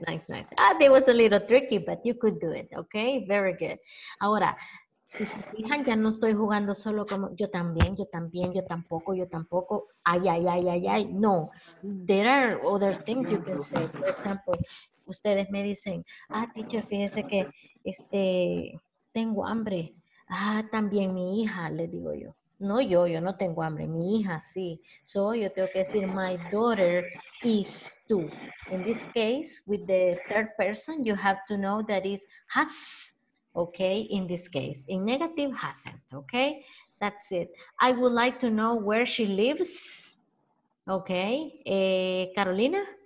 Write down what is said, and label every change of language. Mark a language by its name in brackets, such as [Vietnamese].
[English] That was a little tricky, but you could do it. Okay, very good. [Spanish] Ahora, si se fijan, ya no estoy jugando solo como yo tampoco. Ay. [English] No, there are other things you can say. For example, [Spanish] ustedes me dicen, teacher, fíjese que tengo hambre. También mi hija, le digo yo. No yo no tengo hambre, mi hija sí. [English] So [Spanish] yo tengo que decir, [English] my daughter is too. In this case, with the third person, you have to know that is has, okay, in this case. In negative, hasn't, okay? That's it. I would like to know where she lives. Okay, Carolina?